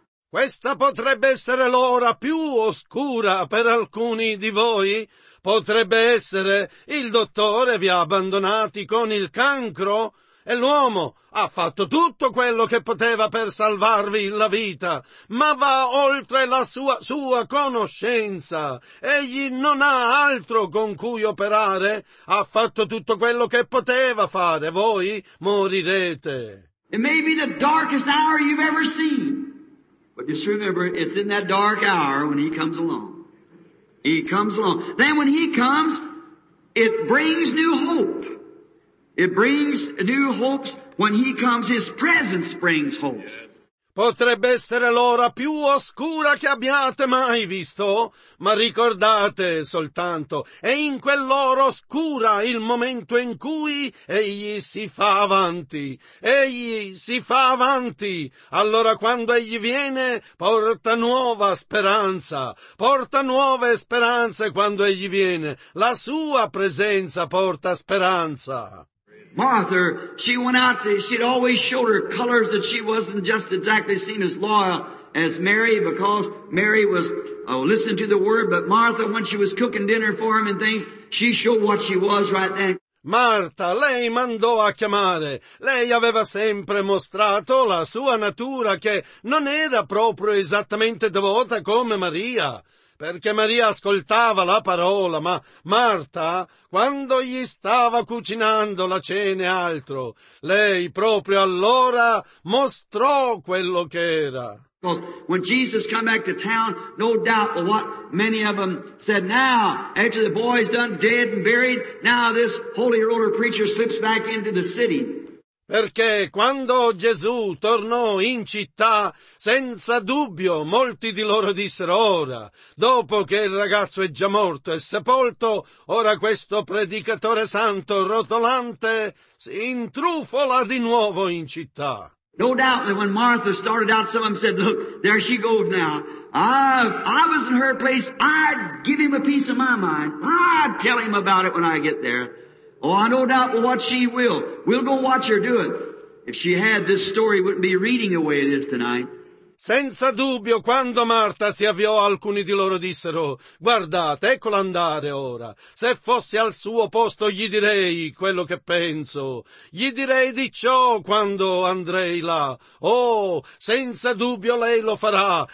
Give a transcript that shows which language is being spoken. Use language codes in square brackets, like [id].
[it] Questa potrebbe essere l'ora più oscura per alcuni di voi. Potrebbe essere il dottore vi ha abbandonati con il cancro. E l'uomo ha fatto tutto quello che poteva per salvarvi la vita, ma va oltre la sua conoscenza. Egli non ha altro con cui operare. Ha fatto tutto quello che poteva fare. Voi morirete. [en] It may be the darkest hour you've ever seen, but just remember, it's in that dark hour when he comes along. He comes along. Then when he comes, it brings new hope. It brings new hopes when he comes, his presence brings hope. [it] Potrebbe essere l'ora più oscura che abbiate mai visto, ma ricordate soltanto, è in quell'ora oscura il momento in cui egli si fa avanti. Egli si fa avanti. Allora quando egli viene, porta nuova speranza. Porta nuove speranze quando egli viene. La sua presenza porta speranza. [en] Martha, she went out to, she'd always showed her colors that she wasn't just exactly seen as loyal as Mary because Mary was listening to the word, but Martha, when she was cooking dinner for him and things, she showed what she was right then. [it] Marta, lei mandò a chiamare. Lei aveva sempre mostrato la sua natura che non era proprio esattamente devota come Maria. Perché Maria ascoltava la parola, ma Marta, quando gli stava cucinando la cena e altro, lei proprio allora mostrò quello che era. [en] Because when Jesus come back to town, no doubt what many of them said, now, after the boy's done dead and buried, now this holy roller preacher slips back into the city. [it] Perché quando Gesù tornò in città, senza dubbio molti di loro dissero ora, dopo che il ragazzo è già morto e sepolto, ora questo predicatore santo rotolante si intrufola di nuovo in città. [en] No doubt that when Martha started out, some of them said, look, there she goes now. I was in her place. I'd give him a piece of my mind. I'd tell him about it when I get there. Oh, I no doubt what she will. We'll go watch her do it. If she had, this story wouldn't be reading the way it is tonight. [it] Senza dubbio, quando Marta si avviò, alcuni di loro dissero, guardate, eccola andare ora. Se fossi al suo posto, gli direi quello che penso. Gli direi di ciò quando andrei là. Oh, senza dubbio lei lo farà.